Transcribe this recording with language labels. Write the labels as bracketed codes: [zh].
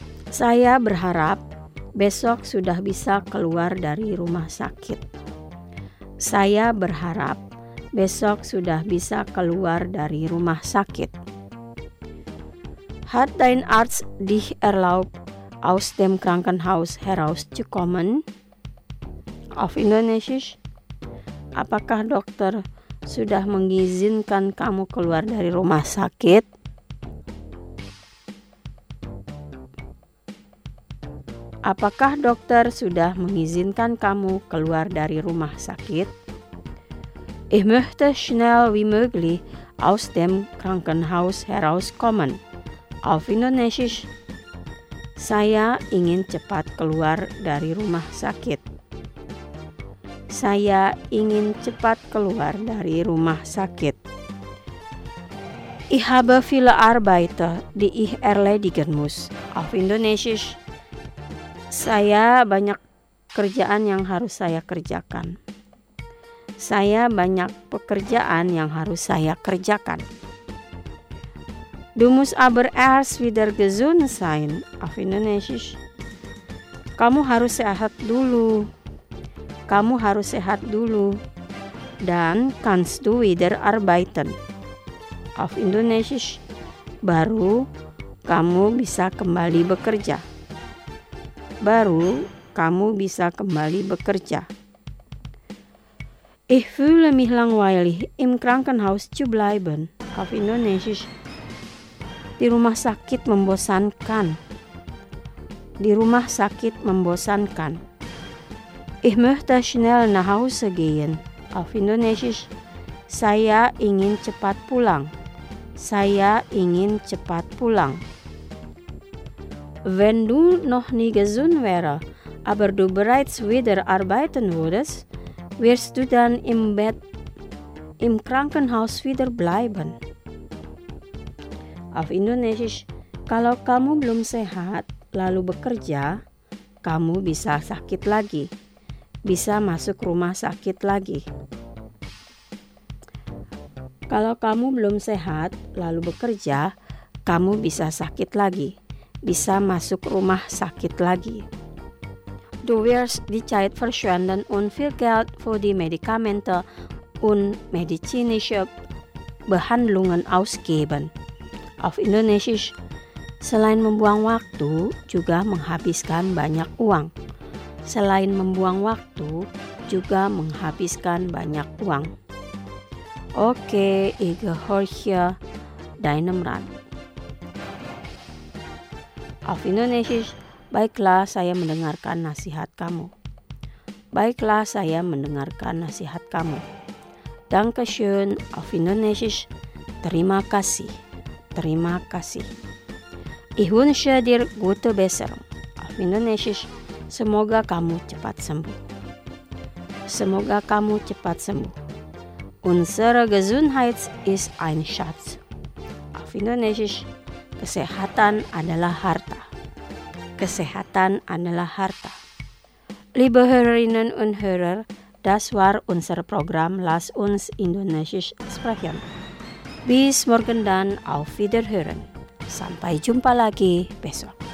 [id] Saya berharap besok sudah bisa keluar dari rumah sakit. Saya berharap besok sudah bisa keluar dari rumah sakit. [de] Hat dein Arzt dich erlaubt, aus dem Krankenhaus herauszukommen? Auf Indonesisch. [id] Apakah dokter sudah mengizinkan kamu keluar dari rumah sakit? Apakah dokter sudah mengizinkan kamu keluar dari rumah sakit? [de] Ich möchte schnell wie möglich aus dem Krankenhaus herauskommen. Auf Indonesisch. [id] Saya ingin cepat keluar dari rumah sakit. Saya ingin cepat keluar dari rumah sakit. [de] Ich habe viele Arbeit, die ich erledigen muss. Auf Indonesisch. [id] Saya banyak kerjaan yang harus saya kerjakan. Saya banyak pekerjaan yang harus saya kerjakan. [de] Du musst aber erst wieder gesund sein. Auf Indonesisch. [id] Kamu harus sehat dulu. Kamu harus sehat dulu. [de] Dan kannst du wieder arbeiten. Auf Indonesisch. [id] Baru kamu bisa kembali bekerja. Baru kamu bisa kembali bekerja. [de] Ich fühle mich langweilig im Krankenhaus zu bleiben. Auf Indonesisch. [id] Di rumah sakit membosankan. Di rumah sakit membosankan. [de] Ich möchte schnell nach Hause gehen. Auf Indonesisch. [id] Saya ingin cepat pulang. Saya ingin cepat pulang. [de] Wenn du noch nie gesund wäre, aber du bereits wieder arbeiten würdest, wirst du dann im Bett im Krankenhaus wieder bleiben. Auf Indonesisch. [id] Kalau kamu belum sehat, lalu bekerja, kamu bisa sakit lagi. Bisa masuk rumah sakit lagi. Kalau kamu belum sehat, lalu bekerja, kamu bisa sakit lagi. Bisa masuk rumah sakit lagi. [de] Du wirst die Zeit verschwenden und viel Geld für die Medikamente und medizinische Behandlungen ausgeben. Auf Indonesisch. [id] Selain membuang waktu, juga menghabiskan banyak uang. Selain membuang waktu, juga menghabiskan banyak uang. [de] Oke, ich gehorche deinem Rat. Auf Indonesisch. [id] Baiklah, saya mendengarkan nasihat kamu. Baiklah, saya mendengarkan nasihat kamu. [de] Danke schön. Auf Indonesisch. [id] Terima kasih. Terima kasih. [de] Ich wünsche dir gute Besserung. Auf Indonesisch. [id] Semoga kamu cepat sembuh. Semoga kamu cepat sembuh. [de] Unsere Gesundheit ist ein Schatz. Auf Indonesisch. [id] Kesehatan adalah harta. Kesehatan adalah harta. [de] Liebe Hörerinnen und Hörer, das war unser Programm Lass uns Indonesisch sprechen. Bis morgen dann auf Wiederhören. [id] Sampai jumpa lagi besok.